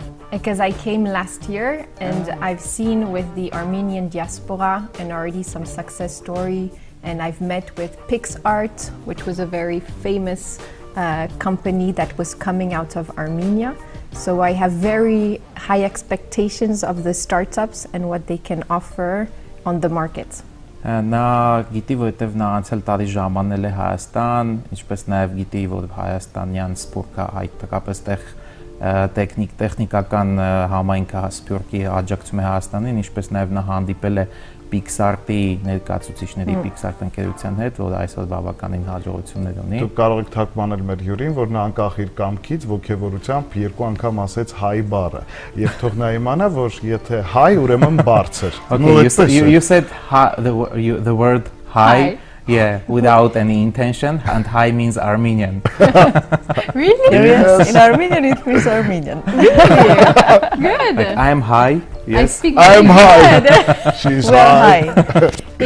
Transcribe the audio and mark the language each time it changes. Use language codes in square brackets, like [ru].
[en] Because I came last year and I've seen with the Armenian diaspora and already some success story, and I've met with PixArt, which was a very famous company that was coming out of Armenia. So I have very high expectations of the startups and what they can offer on the market. [hy] Նա գիտի, որովհետև նա անցել տարի ժամանել է Հայաստան, ինչպես նաև գիտի, որ Հայաստանյան սպուրքը հատկապես այդտեղ տեխնիկական համայնքը սպուրքի աջակցում է Հայաստանին, ինչպես նաև նա հանդիպել է PixArt-ի ներկայացուցիչների PixArt ընկերության հետ, որ այսօր բավականին հաջողություններ ունի։ Դուք կարող եք թարգմանել մեր հյուրին, որ նա անկախ իր կամքից ոգևորությամբ երկու անգամ ասեց high bar-ը, եւ թող նա իմանա, որ եթե high, ուրեմն բարձր։ [en] You said the word high. Yeah, without any intention, and hi means Armenian. Really? Yes. Yes. In Armenian, it means Armenian. Really? Good. Like, I am hi. Yes. I speak. I am hi. She's hi. We're hi.